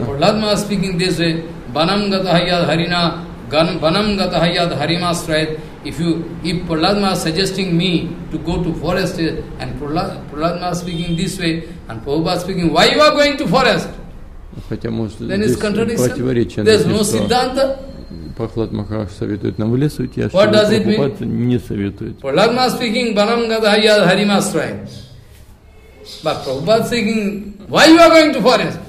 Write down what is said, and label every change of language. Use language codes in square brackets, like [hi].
[en] When Prahladma is speaking this way, [sa] Banam Gatahayad Harina, Banam Gatahayad Harima Srayat. [en] If Prahladma is suggesting me to go to forest, and Prahladma is speaking this way, and Prabhupada is speaking, why you are going to forest? [ru] Хотя может, [en] then it's contradiction. There's no Siddhanta. [ru] Прахлад Махарадж советует нам в лес уйти, а Шрила Прабхупад не советует. [en] Prahladma speaking, [sa] Banam Gadahaya Harima Srayam. [en] But Prabhupada speaking, why you are going to forest?